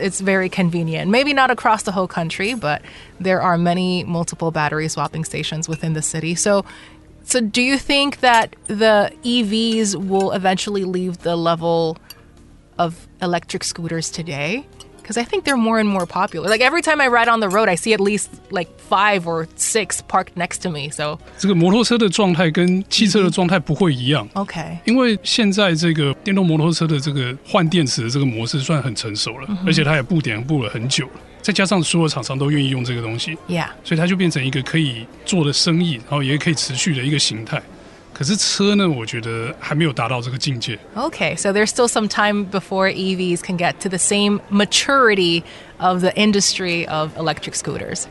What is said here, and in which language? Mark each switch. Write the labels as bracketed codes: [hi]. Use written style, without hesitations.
[en] It's very convenient. Maybe not across the whole country, but there are many multiple battery swapping stations within the city. So do you think that the EVs will eventually leave the level of electric scooters today? Because I think they're more and more popular. Like every time I ride on the road, I see at least like 5 or 6 parked next to me. So [zh] 这个摩托车的状态跟汽车的状态不会一样。 [en] Mm-hmm. Okay. [zh] 因为现在这个电动摩托车的这个换电池的这个模式算很成熟了， mm-hmm. 而且它也布点布了很久了。再加上所有厂商都愿意用这个东西 [en] ，Yeah. [zh] 所以它就变成一个可以做的生意，然后也可以持续的一个形态。可是车呢，我觉得还没有达到这个境界。 [en] Okay, so there's still some time before EVs can get to the same maturity of the industry of electric scooters.